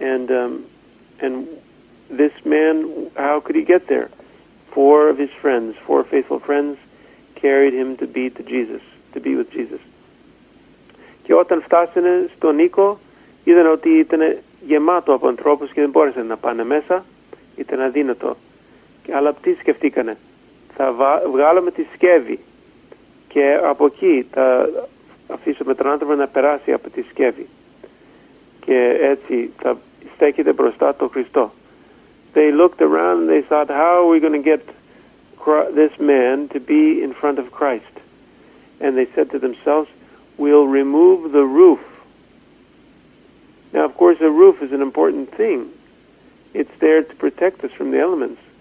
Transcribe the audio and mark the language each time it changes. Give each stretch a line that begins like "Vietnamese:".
English: And this man, how could he get there? Four of his friends, four faithful friends, carried him to be to Jesus, to be with Jesus.
Greek: Και όταν φτάσανε στον οίκο, είδαν ότι ήταν γεμάτο από ανθρώπους και δεν μπόρεσαν να πάνε μέσα, ήταν αδύνατο. Αλλά τι σκεφτήκανε, θα βγάλουμε τη σκεύη και από εκεί θα αφήσουμε τον άνθρωπο να περάσει από τη σκεύη. Και έτσι θα στέκεται μπροστά το Χριστό.
English: They looked around and they thought, how are we going to get this man to be in front of Christ? And they said to themselves, we'll remove the roof. Now, of course, a roof is an important thing. It's there to protect us from the elements.